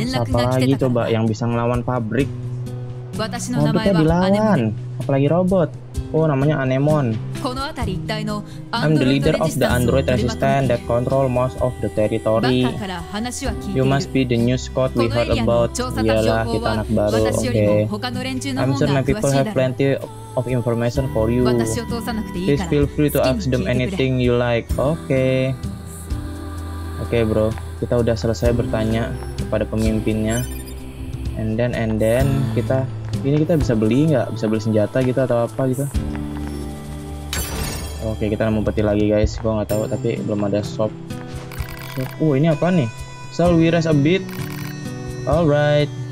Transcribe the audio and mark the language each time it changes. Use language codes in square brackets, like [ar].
[id] Siapa lagi coba yang bisa ngelawan pabrik? Waduh, kita dilawan. Apalagi robot. Oh, namanya Anemon. [en] I'm the leader of the android resistance that control most of the territory. You must be the new squad we heard about. [id] Yalah, kita anak baru, oke. [en] Okay. I'm sure my people have plenty of information for you. Please feel free to ask them anything you like. Oke. Okay. Oke, okay, bro. [id] Kita udah selesai bertanya kepada pemimpinnya. [en] And then, [id] kita... Ini kita bisa beli nggak? Bisa beli senjata gitu atau apa gitu? Oke, kita nemu peti lagi guys. Gua nggak tahu, tapi belum ada shop. Oh, ini apa nih? [en] Shall we rest a bit? Alright.